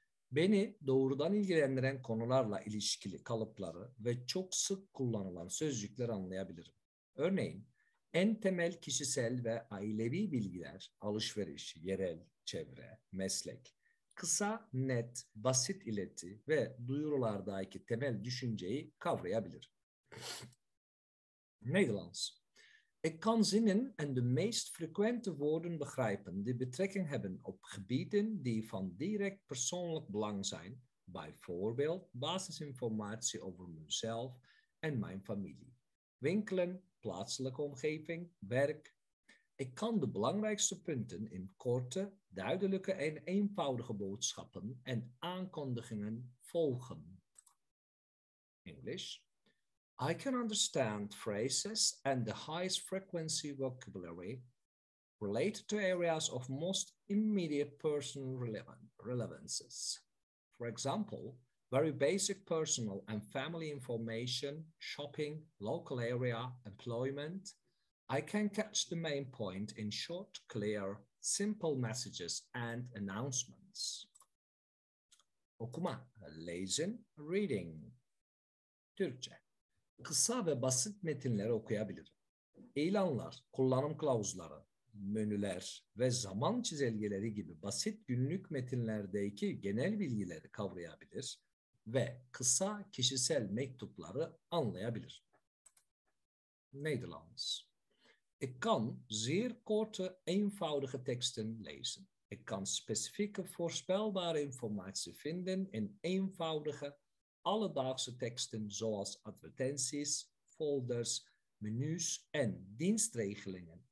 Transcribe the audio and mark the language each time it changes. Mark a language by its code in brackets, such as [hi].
[tr] Beni doğrudan ilgilendiren konularla ilişkili kalıpları ve çok sık kullanılan sözcükleri anlayabilirim. Örneğin, en temel kişisel ve ailevi bilgiler, alışveriş, yerel, çevre, meslek, kısa, net, basit ileti ve duyurulardaki temel düşünceyi kavrayabilir. [nl] Nederlands. Ik kan zinnen en de meest frequente woorden begrijpen die betrekking hebben op gebieden die van direct persoonlijk belang zijn, bijvoorbeeld basisinformatie over mezelf en mijn familie, winkelen, plaatselijke omgeving, werk. Ik kan de belangrijkste punten in korte, duidelijke en eenvoudige boodschappen en aankondigingen volgen. Engels. [en] I can understand phrases and the highest frequency vocabulary related to areas of most immediate personal relevances. For example, very basic personal and family information, shopping, local area, employment. I can catch the main point in short, clear, simple messages and announcements. [tr] Okuma, [nl] lezen, [en] reading. [tr] Türkçe. Kısa ve basit metinleri okuyabilirim. İlanlar, kullanım kılavuzları, menüler ve zaman çizelgeleri gibi basit günlük metinlerdeki genel bilgileri kavrayabilir ve kısa kişisel mektupları anlayabilir. [nl] Nederlands. Ik kan zeer korte, eenvoudige teksten lezen. Ik kan specifieke, voorspelbare informatie vinden in eenvoudige, alledaagse teksten zoals advertenties, folders, menus en dienstregelingen.